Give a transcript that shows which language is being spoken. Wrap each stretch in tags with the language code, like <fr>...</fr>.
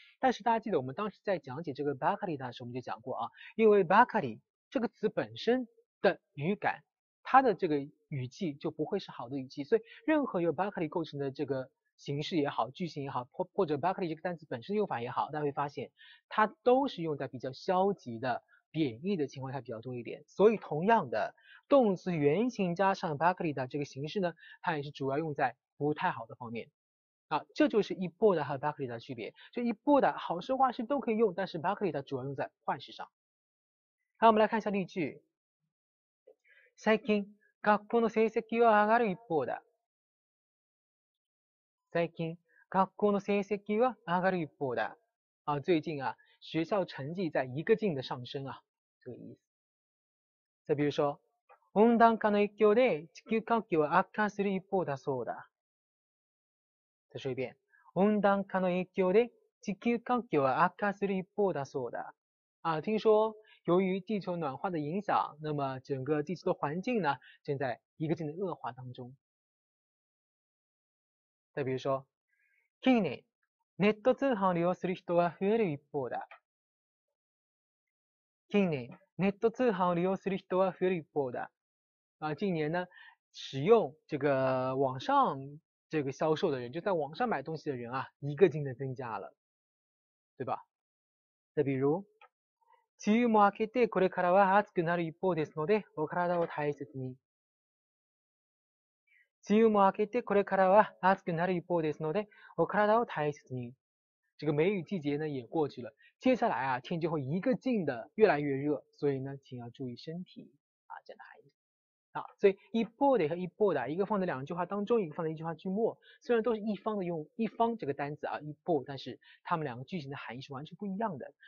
<zh>但是大家记得我们当时在讲解这个巴卡里的时候，我们就讲过啊，因为巴卡里这个词本身的语感，它的这个语气就不会是好的语气，所以任何由 bakari 构成的这个形式也好，句型也好，或者 bakari 这个单词本身用法也好，大家会发现它都是用在比较消极的贬义的情况下比较多一点。所以同样的，动词原形加上 bakari 的这个形式呢，它也是主要用在不太好的方面啊。这就是一波的和 bakari 的区别，就一波的好事坏事都可以用，但是 bakari 的主要用在坏事上。好，我们来看一下例句。</zh> <ja>最近学校の成績は上がる一方だ。最近学校の成績は上がる一方だ。</ja> <zh>啊，最近啊，学校成绩在一个劲的上升啊，这个意思。再比如说，</zh> <ja>温暖化の影響で地球環境は悪化する一方だそうだ。</ja> <zh>再说一遍，</zh> <ja>温暖化の影響で地球環境は悪化する一方だそうだ。</ja> <zh>啊，听说。由于地球暖化的影响，那么整个地球的环境呢，正在一个劲的恶化当中。再比如说，</zh> <ja>近年ネット通販を利用する人が増える一方だ。近年ネット通販を利用する人が増える一方だ。</ja> <zh>啊，近年呢，使用这个网上这个销售的人，就在网上买东西的人啊，一个劲的增加了，对吧？再比如。</zh> <ja>梅雨も明けてこれからは暑くなる一方ですので、お体を大切に。梅雨も明けてこれからは暑くなる一方ですので、お体を大切に。</ja> <zh>这个梅雨季节呢也过去了，接下来啊天就会一个劲的越来越热，所以呢请要注意身体啊，这样的含义。啊，所以一方的和一方的，一个放在两句话当中，一个放在一句话句末，虽然都是一方的用一方这个单词啊，一方，但是他们两个句型的含义是完全不一样的。</zh>